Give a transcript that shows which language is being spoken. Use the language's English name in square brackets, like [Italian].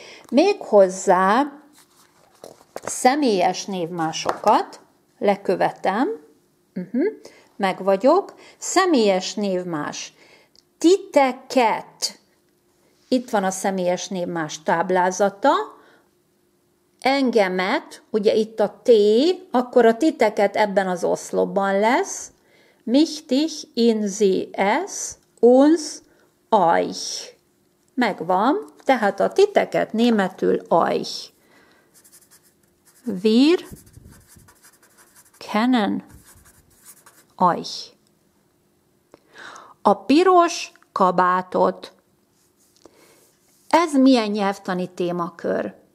[Hungarian] Méghozzá személyes névmásokat lekövetem. Megvagyok. Személyes névmás. Titeket. Itt van a személyes névmás táblázata. Engemet, ugye itt a T, akkor a titeket ebben az oszlopban lesz. [German] Mich dich in sie es, uns euch. [Hungarian] Megvan, tehát a titeket németül euch. [German] Wir kennen euch. [Hungarian] A piros kabátot. Ez milyen nyelvtani témakör?